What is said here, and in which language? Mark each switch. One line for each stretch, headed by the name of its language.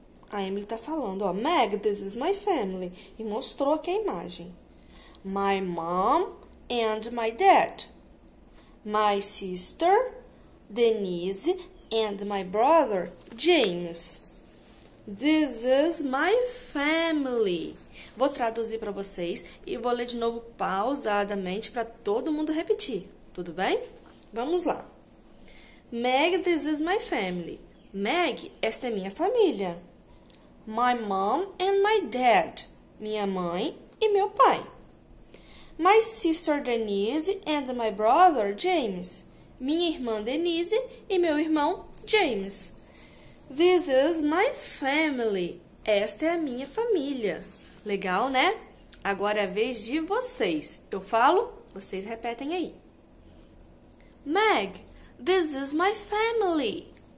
Portuguese: A Emily tá falando, ó, Meg,
English: this is my family.
Portuguese: E mostrou aqui a imagem.
English: My mom and my dad. My sister, Denise, and my brother, James. This is my family.
Portuguese: Vou traduzir para vocês e vou ler de novo pausadamente para todo mundo repetir. Tudo bem? Vamos lá.
English: Meg, this is my family.
Portuguese: Meg, esta é minha família.
English: My mom and my dad.
Portuguese: Minha mãe e meu pai.
English: My sister Denise and my brother James.
Portuguese: Minha irmã Denise e meu irmão James.
English: This is my family.
Portuguese: Esta é a minha família. Legal, né? Agora é a vez de vocês. Eu falo, vocês repetem aí.
English: Meg. This is my family.